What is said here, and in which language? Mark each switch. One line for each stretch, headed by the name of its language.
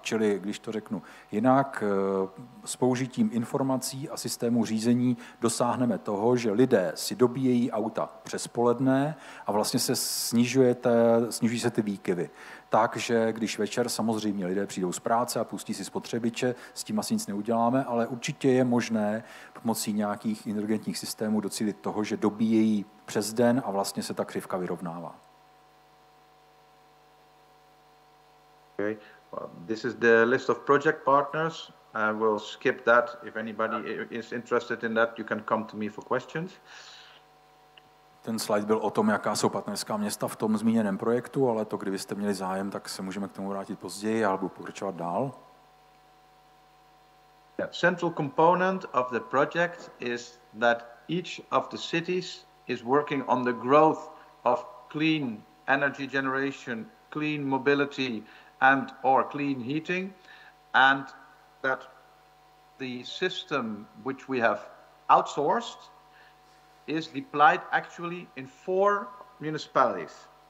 Czech: Čili, když to řeknu jinak, s použitím informací a systému řízení dosáhneme toho, že lidé si dobíjejí auta přes poledne a vlastně se snižují se ty výkyvy. Takže když večer samozřejmě lidé přijdou z práce a pustí si spotřebiče, s tím asi nic neuděláme, ale určitě je možné pomocí nějakých inteligentních systémů docílit toho, že dobíjejí přes den a vlastně se ta křivka vyrovnává. Okay.
English: Well, this is the list of project partners. I will skip that. If anybody is interested in that, you can come to me for questions.
Czech: Ten slide byl o tom, jaká jsou partnerská města v tom zmíněném projektu, ale to, kdybyste měli zájem, tak se můžeme k tomu vrátit později, já budu pokračovat dál.
English: The central component of the project is that each of the cities is working on the growth of clean energy generation, clean mobility and or clean heating, and that the system which we have outsourced is deployed actually in 4 municipalities.